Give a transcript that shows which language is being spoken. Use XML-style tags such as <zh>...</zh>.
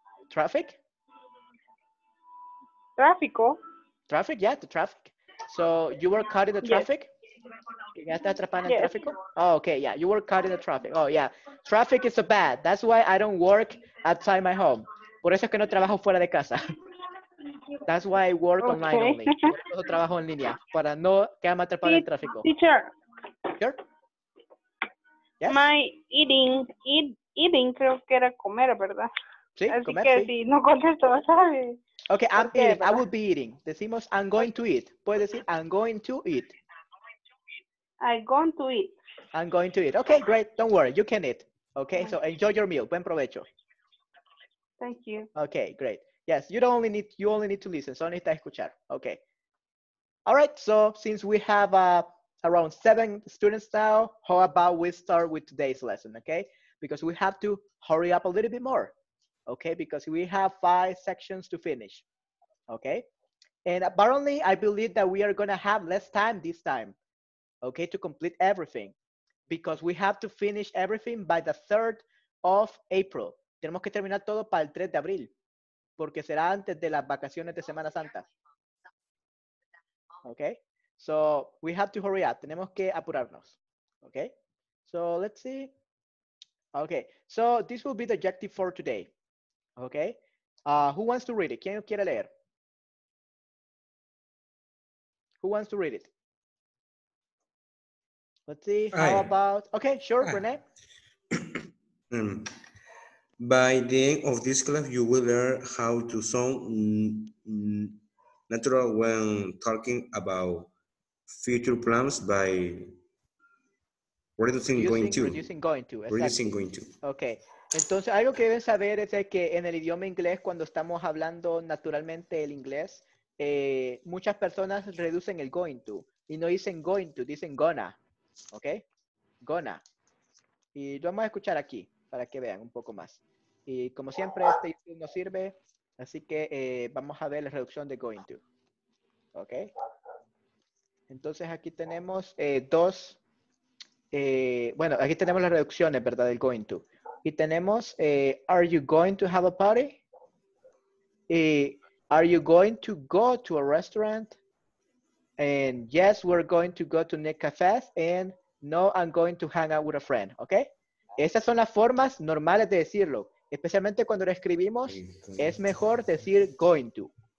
<en>Traffic?</en> <es>Traffico.</es> <en>Traffic, yeah, the traffic. So you were caught in the traffic? Yes. Yes. Oh, okay, yeah, you were caught in the traffic. Oh, yeah, traffic is so bad. That's why I don't work outside my home.</en> <es>Por eso es que no trabajo fuera de casa.</es> <en>That's why I work okay. online only.</en> <es>Por eso trabajo en línea, para no quedarme atrapado en el tráfico. Teacher. Teacher? Yes?</es> <en>My eating, eating</en> <es>creo que era comer, ¿verdad? Sí, así comer, que sí. Si no contesto, ¿sabes?</es> <en>Okay, I'm okay, eating. I will be eating. Decimos, I'm going to eat.</en> <es>Puedes decir,</es> <en>I'm going to eat. I'm going to eat. I'm going to eat. Okay, great. Don't worry. You can eat. Okay, so enjoy your meal.</en> <es>Buen provecho.</es> <en>Thank you. Okay, great. Yes, you only need to listen.</en> <es>Solo necesitas escuchar.</es> <en>Okay. All right, so since we have around 7 students now, how about we start with today's lesson, okay? Because we have to hurry up a little bit more. Okay, because we have 5 sections to finish, okay? And apparently, I believe that we are gonna have less time this time, okay, to complete everything, because we have to finish everything by the 3rd of April.</en> <es>Tenemos que terminar todo para el 3 de abril, porque será antes de las vacaciones de Semana Santa.</es> <en>Okay, so we have to hurry up.</en> <es>Tenemos que apurarnos,</es> <en>okay? So let's see. Okay, so this will be the objective for today. Okay, who wants to read it?</en> <es>¿Quién quiere leer?</es> <en>Who wants to read it? Let's see, how about, okay, sure, Renee. By the end of this class, you will learn how to sound natural when talking about future plans by reducing going to. Okay.</en> <es>Entonces, algo que deben saber es que en el idioma inglés, cuando estamos hablando naturalmente el inglés, muchas personas reducen el going to. Y no dicen going to, dicen gonna. ¿Ok? Gonna. Y lo vamos a escuchar aquí, para que vean un poco más. Y como siempre, este YouTube no sirve, así que vamos a ver la reducción de going to. ¿Ok? Entonces, aquí tenemos aquí tenemos las reducciones, ¿verdad? Del going to. Y tenemos,</es> <en>are you going to have a party? Are you going to go to a restaurant? And yes, we're going to go to Nick Cafes. And no, I'm going to hang out with a friend.</en> <es>Okay? Esas son las formas normales de decirlo. Especialmente cuando lo escribimos, es mejor decir going to.</es>